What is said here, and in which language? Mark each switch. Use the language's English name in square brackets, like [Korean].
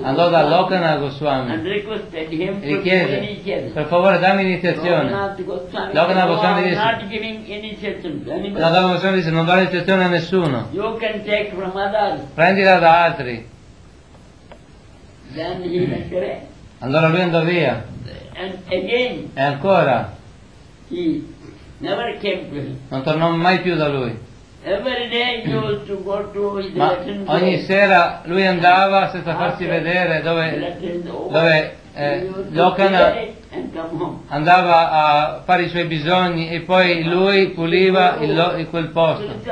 [Italian] Andò da Lokanath Goswami [English] and requested him [Italian] e richiede, per favore dammi iniziazione. Lokanath Goswami dice, Lokanath Goswami dice, non dare iniziazione a nessuno. [English] You can take from others. [Italian] Prendila da altri. [English] Then he went away. [Italian] Allora lui andò via. [English] And again, [Italian] e ancora. [English] He never came to him. [Italian] Non tornò mai più da lui. [English] Every day he used to go to his [Italian] Ma ogni sera lui andava senza farsi vedere dove Lokanath andava a fare i suoi bisogni e poi lui puliva quel posto.